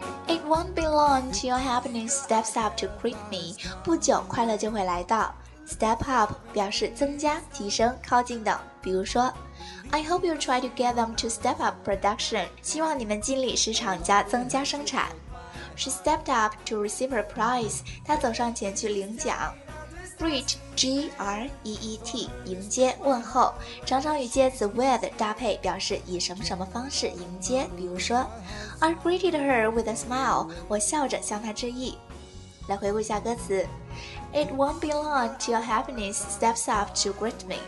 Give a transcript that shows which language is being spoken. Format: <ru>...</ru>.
<en>It won't be long till your happiness steps up to greet me</en> <zh>不久快乐就会来到</zh> <en>Step up</en> <zh>表示增加、提升、靠近等比如说</zh> <en>I hope you try to get them to step up production</en> <zh>希望你们尽力使厂家增加生产</zh> <en>She stepped up to receive her prize.</en> <zh>她走上前去领奖。 Greet, G-R-E-E-T, 迎接问候。常常与介词 with 搭配，表示以什么什么方式迎接。比如说</zh> <en>，I greeted her with a smile.</en> <zh>我笑着向她致意。来回顾一下歌词。</zh> <en>It won't be long till your happiness steps up to greet me.</en>